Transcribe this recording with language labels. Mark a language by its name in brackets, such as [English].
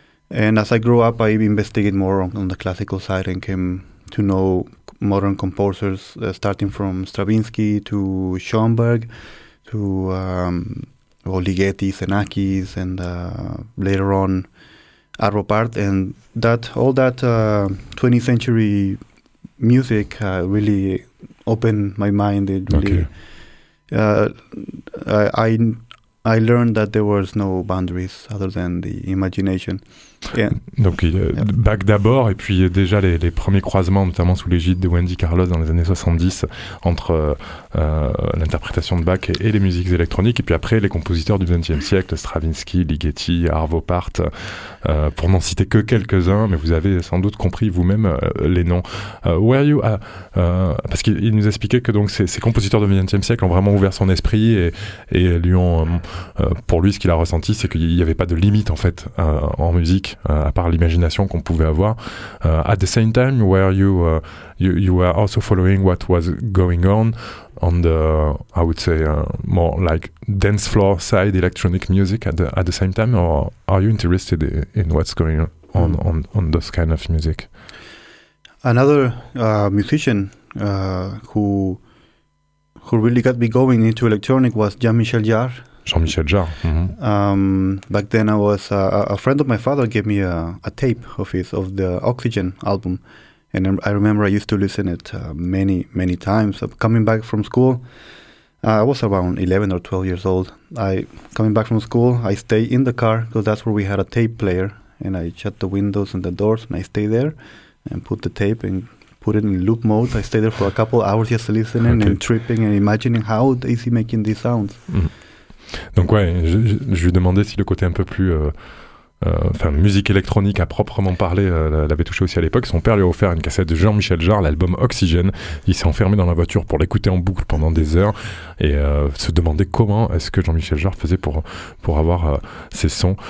[English] And as I grew up, I investigated more on the classical side and came to know modern composers, starting from Stravinsky to Schoenberg to Ligeti, Xenakis, and later on Arvo Pärt. And all that 20th century music really opened my mind. It really, okay. I learned that there was no boundaries other than the imagination. Yeah. [French] Donc, Bach d'abord, et puis déjà les premiers croisements, notamment sous l'égide de Wendy Carlos dans les années 70, entre l'interprétation de Bach et les musiques électroniques, et puis après les compositeurs du XXe siècle, Stravinsky, Ligeti, Arvo Pärt, pour n'en citer que quelques-uns, mais vous avez sans doute compris vous-même les noms. Parce qu'il nous expliquait que donc ces compositeurs du XXe siècle ont vraiment ouvert son esprit et lui ont pour lui, ce qu'il a ressenti, c'est qu'il n'y avait pas de limite, en fait, en musique, à part l'imagination qu'on pouvait avoir. [English] At the same time, where you were also following what was going on the, I would say, more like dance floor side electronic music at the same time, or are you interested in what's going on, on those kind of music? Another musician who really got me going into electronic was Jean-Michel Jarre. Jean-Michel Jarre. Mm-hmm. Back then, I was a friend of my father gave me a tape of his, of the Oxygen album, and I remember I used to listen it many times. Coming back from school, I was around 11 or 12 years old. I stay in the car because that's where we had a tape player, and I shut the windows and the doors and I stay there and put the tape and put it in loop mode. I stayed there for a couple hours just listening and tripping and imagining how is he making these sounds. [French] Donc ouais, je lui demandais si le côté un peu plus musique électronique à proprement parler l'avait touché aussi à l'époque. Son père lui a offert une cassette de Jean-Michel Jarre, l'album Oxygène. Il s'est enfermé dans la voiture pour l'écouter en boucle pendant des heures et se demandait comment est-ce que Jean-Michel Jarre faisait pour avoir ces sons.